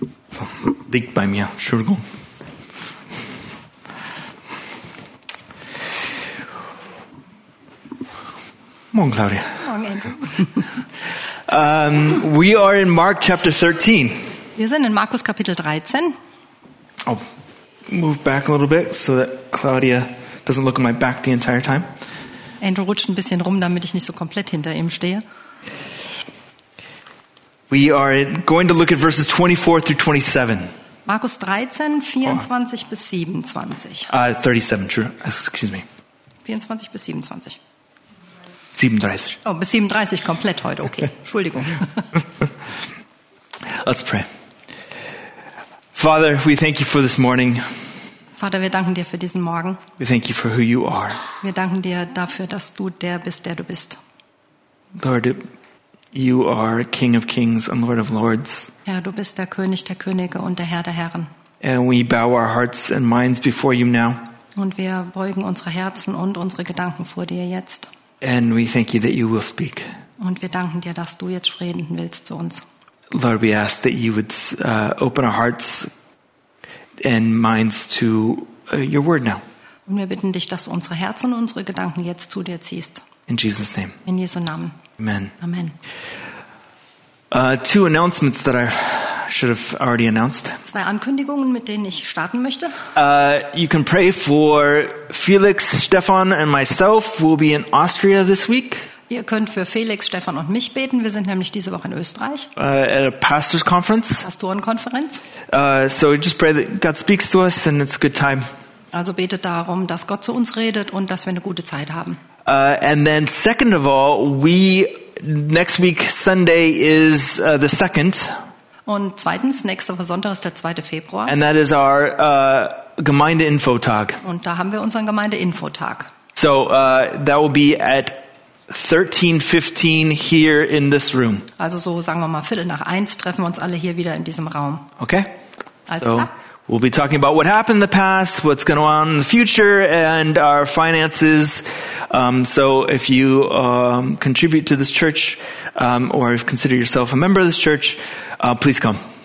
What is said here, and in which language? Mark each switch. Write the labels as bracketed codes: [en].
[de] So, liegt bei mir, Entschuldigung. Morgen, Claudia. Morgen, [en] Andrew. We are in Mark chapter 13. [de] Wir sind in Markus Kapitel 13. [en] I'll move back a little bit so that Claudia doesn't look at my back the entire time. [de] Andrew rutscht ein bisschen rum, damit ich nicht so komplett hinter ihm stehe. [en] We are going to look at verses 24 through 27. [de] Markus 13, 24 bis 27. [en] 37, true. Excuse me. [de] 24 bis 27. 37. Oh, bis 37 komplett heute, okay. Entschuldigung. [en] Let's pray. Father, we thank you for this morning. [de] Vater, wir danken dir für diesen Morgen. [en] We thank you for who you are. [de] Wir danken dir dafür, dass du der bist, der du bist. [en] Lord, you are King of Kings and Lord of Lords. [de] Ja, du bist der König der Könige und der Herr der Herren. [en] And we bow our hearts and minds before you now. [de] Und wir beugen unsere Herzen und unsere Gedanken vor dir jetzt. [en] And we thank you that you will speak. [de] Und wir danken dir, dass du jetzt reden willst zu uns. [en] Lord, we ask that you would open our hearts and minds to your word now. [de] Und wir bitten dich, dass unsere Herzen und unsere Gedanken jetzt zu dir ziehst. [en] In Jesus' name. [de] In Jesu Namen. Amen. Amen. [en] Two announcements that I should have already announced. [de] Zwei Ankündigungen, mit denen ich starten möchte. [en] You can pray for Felix, Stefan and myself. We'll be in Austria this week. [de] Ihr könnt für Felix, Stefan und mich beten. Wir sind nämlich diese Woche in Österreich. [en] At a pastor's conference. [de] Pastorenkonferenz. [en] So just pray that God speaks to us and it's a good time. [de] Also betet darum, dass Gott zu uns redet und dass wir eine gute Zeit haben. [en] And then second of all, next week Sunday is the 2nd. [de] Und zweitens, nächste Woche Sonntag ist der 2. Februar. [en] And that is our Gemeindeinfotag. [de] Und da haben wir unseren Gemeindeinfotag. [en] So that will be at 13:15 here in this room. [de] Also so sagen wir mal 1:15 treffen wir uns alle hier wieder in diesem Raum. Okay. Also [en] we'll be talking about what happened in the past, what's going on in the future and our finances. So if you contribute to this church or if you consider yourself a member of this church, please come.